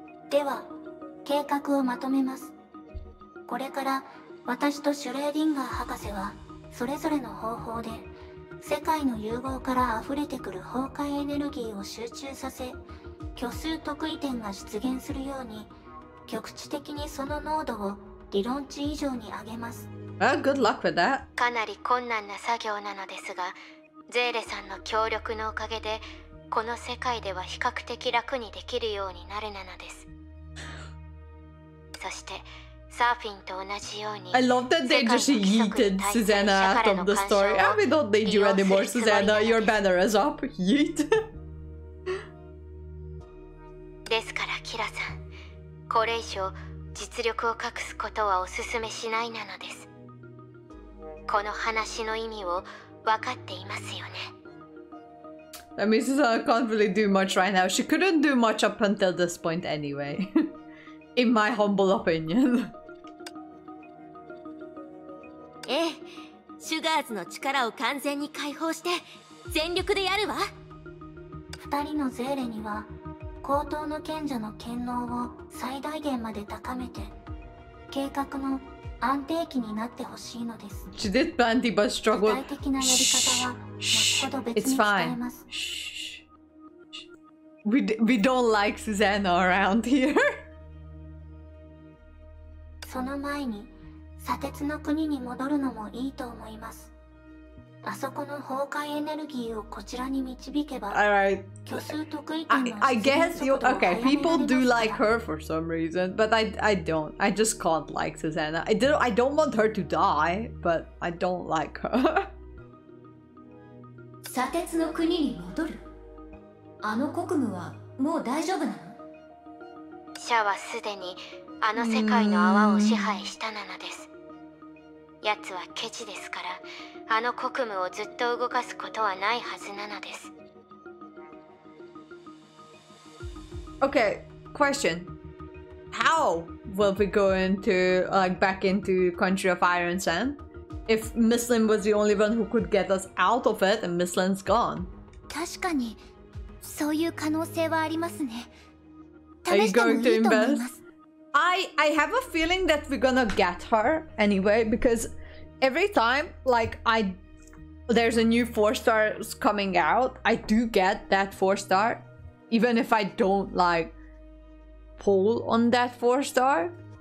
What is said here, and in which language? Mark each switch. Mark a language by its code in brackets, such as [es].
[ja] では、計画をまとめます。これから私とシュレーディンガー博士はそれぞれの方法で世界の融合から溢れてくる崩壊エネルギーを集中させ、虚数特異点が出現するように局地的にその濃度を理論値以上に上げます。 [en] Well, good luck with that. [ja] かなり困難な作業なのですが、ゼーレさんの協力のおかげでこの世界では比較的楽にできるようになるなのです。そしてサーフィンと同じように、 [en] I love that they just yeeted Susanna out of the story. I mean, don't need you anymore, Susanna. Your banner is up. Yeet. [ja] ですからキラさん、これ以上実力を隠すことはお勧めしないなのです。この話の意味を分かっていますよね。 [en] I mean, Susanna can't really do much right now. She couldn't do much up until this point anyway. In my humble opinion. [ja] ええ、シュガーズの力を完全に解放して全力でやるわ。二人のゼーレには高等の賢者の権能を最大限まで高めて計画の安定期になってほしいのです。 [en] She did plenty, but struggled. [ja] 具体的なやり方は後ほど別に伝えます。 [en] We don't like Susanna around here. [ja] その前に砂鉄の国に戻るのもいいと思います。あそこの崩壊エネルギーをこちらに導けば、 [en] All right. [ja] 虚数得意点の出現速度を早められますから。 [en] People do like her for some reason, but I don't. I just can't like Susanna. I don't want her to die, but I don't like her. [ja] 砂鉄の国に戻る。あの国務はもう大丈夫なの？シャはすでにあの世界の泡を支配したなのです。やつはケチですから、あの国務をずっと動かすことはないはずなのです。 [en] Okay, question. How will we go into, like, back into Country of Iron Sand? If Miss Lin was the only one who could get us out of it, and Miss Lin's gone. [ja] 確かに、そういう可能性はありますね。 [en] Are you going to invest? I have a feeling that we're gonna get her anyway, because every time, like, there's a new 4-star coming out, I do get that 4-star, even if I don't, like, pull on that 4-star.